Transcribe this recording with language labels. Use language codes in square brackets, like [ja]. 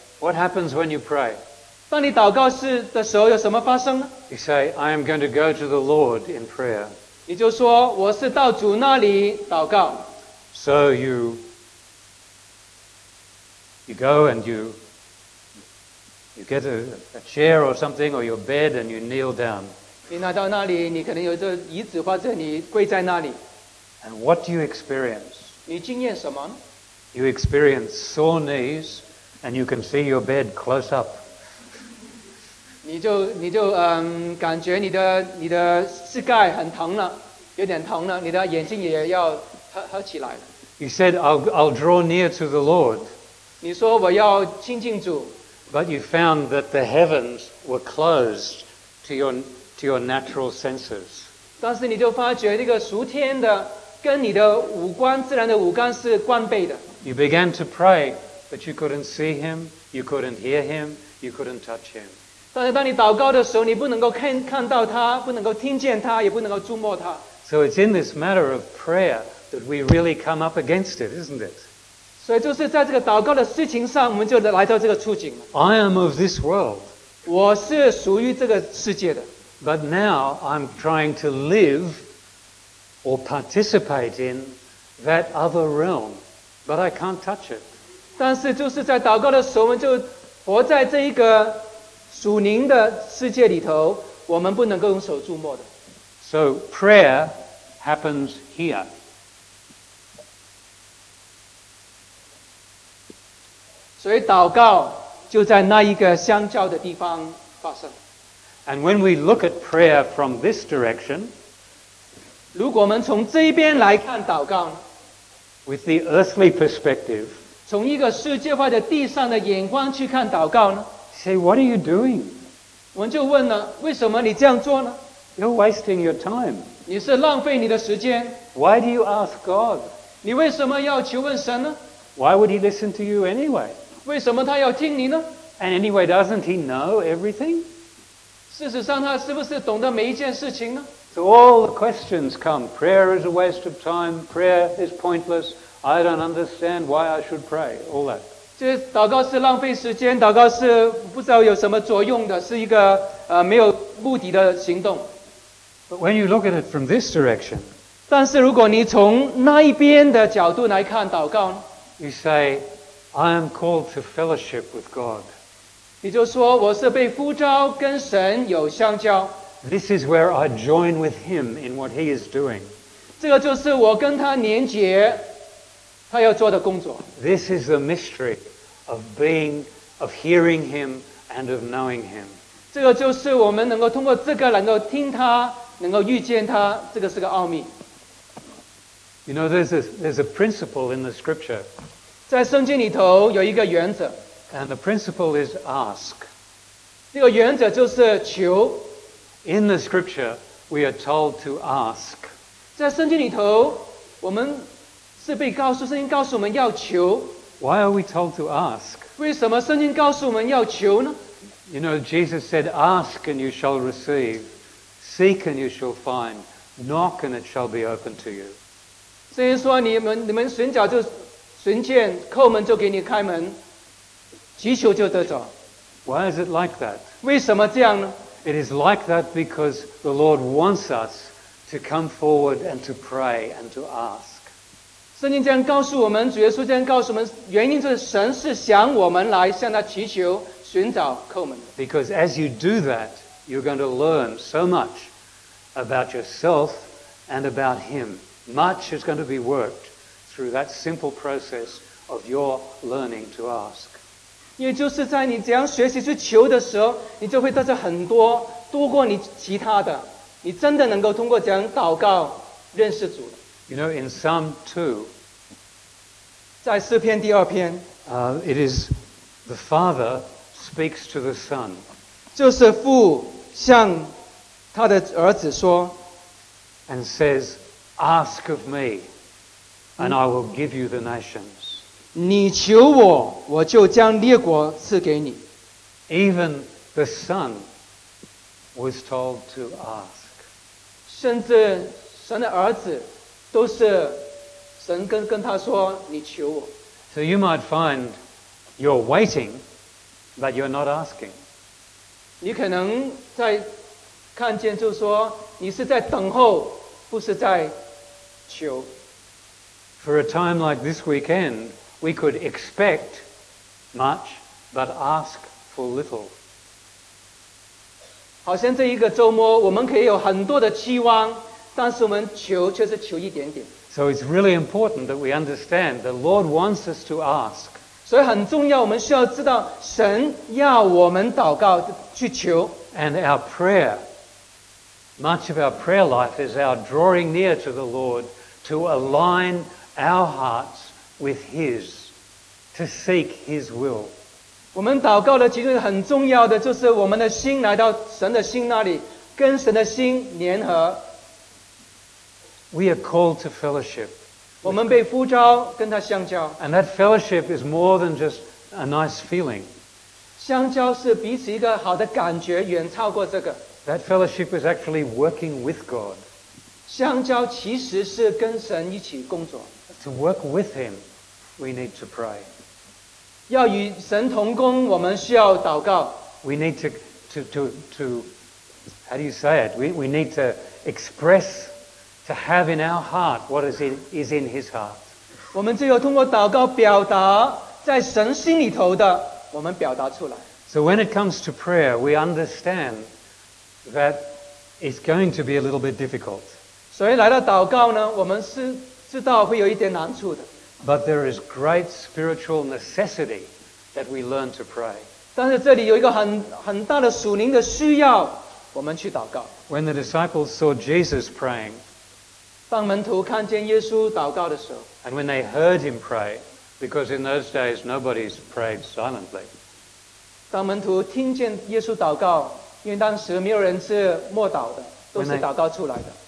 [en] What happens when you pray? [zh] 当你祷告时的时候，有什么发生呢？ [en] You say, I am going to go to the Lord in prayer. [zh] 你就说我是到主那里祷告。 [en] So you go and you get a chair or something or your bed and you kneel down. [zh] 你来到那里，你可能有这椅子或者你跪在那里。 [en] And what do you experience? [zh] 你经验什么呢？ [en] You experience sore kneesAnd you can see your bed close up. [zh] 你就感觉你的膝盖很疼了，有点疼了，你的眼睛也要合起来了。 [en] He said, I'll draw near to the Lord. [zh] 你说我要亲近主。 [en] But you found that the heavens were closed to your natural senses. [zh] 但是你就发觉这个属天的跟你的五官自然的五官是关闭的。 [en] You began to pray. But you couldn't see him, you couldn't hear him, you couldn't touch him. [zh] 但是当你祷告的时候，你不能够看到他，不能够听见他，也不能够触摸他。 [en] So it's in this matter of prayer that we really come up against it, isn't it? [zh] 所以就是在这个祷告的事情上，我们就来到这个处境。 [en] I am of this world. [zh] 我是属于这个世界的。 [en] But now I'm trying to live or participate in that other realm, but I can't touch it. [zh] 但是就是在祷告的时候，我们就活在这一个属灵的世界里头，我们不能够用手触摸的。 [en] So prayer happens here. [zh] So 祷告就在那一个相交的地方发生。 [en] And when we look at prayer from this direction, [zh] 如果我们从这边来看祷告， [en] with the earthly perspective, [zh] 从一个世界化的地上的眼光去看祷告呢？ [en] Say, what are you doing? [zh] 我们就问了，为什么你这样做呢？ [en] You're wasting your time. [zh] 你是浪费你的时间。 [en] Why do you ask God? [zh] 你为什么要求问神呢？ [en] Why would he listen to you anyway? [zh] 为什么他要听你呢？ [en] And anyway, doesn't he know everything? [zh] 事实上他是不是懂得每一件事情呢？ [en] So all the questions come. Prayer is a waste of time. Prayer is pointless. I don't understand why I should pray, all that. [zh] 这祷告是浪费时间，祷告是不知道有什么作用的，是一个没有目的的行动。 [en] But when you look at it from this direction, [zh] 但是如果你从那一边的角度来看祷告， [en] You say, I am called to fellowship with God. [zh] 你就说我是被呼召跟神有相交。 [en] This is where I join with him in what he is doing. [zh] 这个就是我跟他连结，他要做的工作。 [en] This is the mystery of being, of hearing him and of knowing him. [zh] 这个就是我们能够通过这个能够听他，能够遇见他，这个是个奥秘。 [en] You know, there's a principle in the scripture. [zh] 在圣经里头有一个原则。 [en] And the principle is ask. [zh] 这个原则就是求。 [en] In the scripture, we are told to ask. [zh] 在圣经里头，我们是被告诉，圣经告诉我们要求。 [en] Why are we told to ask? [zh] 为什么圣经告诉我们要求呢？ [en] You know, Jesus said, ask and you shall receive. Seek and you shall find. Knock and it shall be opened to you. [zh] 圣经说你们寻找就寻见，叩门就给你开门，祈求就得着。 [en] Why is it like that? [zh] 为什么这样呢？ [en] It is like that because the Lord wants us to come forward and to pray and to ask. [zh] 圣经这样告诉我们，主耶稣这样告诉我们，原因就是神是想我们来向他祈求、寻找、叩门。 [en] Because as you do that, you're going to learn so much about yourself and about him. Much is going to be worked through that simple process of your learning to ask. [zh] 也就是在你这样学习去求的时候，你就会得到很多，多过你其他的。你真的能够通过这样祷告认识主。 [en] You know, in Psalm 2, [zh] 在诗篇第二篇， [en] it is the Father speaks to the Son. [zh] 就是父向他的儿子说， [en] and says,Ask of me, and I will give you the nations. [zh] 你求我，我就将列国赐给你。 [en] Even the Son was told to ask. [zh] 甚至神的儿子都是神跟他说，你求我。 [en] So you might find you're waiting, but you're not asking. [zh] 你可能在看见，就是说你是在等候，不是在。 [en] For a time like this weekend, we could expect much, but ask for little. [zh] 好像这一个周末，我们可以有很多的期望，但是我们求却是求一点点。 [en] So it's really important that we understand the Lord wants us to ask. [zh] 所以很重要，我们需要知道神要我们祷告去求。 [en] And our prayer. Much of our prayer life is our drawing near to the Lord to align our hearts with His, to seek His will. [zh] 我们祷告的其实很重要的就是我们的心来到神的心那里，跟神的心联合。 [en] We are called to fellowship. [zh] 我们被呼召跟他相交。 [en] And that fellowship is more than just a nice feeling. [zh] 相交是彼此一个好的感觉，远超过这个。 [en] That fellowship is actually working with God. [zh] 相交其实是跟神一起工作。 [en] To work with Him, we need to pray. [zh] 要与神同工，我们需要祷告。 [en] We need to how do you say it? We need to express, to have in our heart what is in His heart. [zh] 我们只有通过祷告表达在神心里头的，我们表达出来。 [en] So when it comes to prayer, we understand. That is going to be a little bit difficult. [zh] 所以来到祷告呢，我们是知道会有一点难处的。 [en] But there is great spiritual necessity that we learn to pray. [zh] 但是这里有一个很大的属灵的需要，我们去祷告。 [en] When the disciples saw Jesus praying, [zh] 当门徒看见耶稣祷告的时候 [en] ，and when they heard him pray, because in those days nobody prayed silently. [zh] 当门徒听见耶稣祷告。因为当时没有人是默祷的，都是祷告出来的。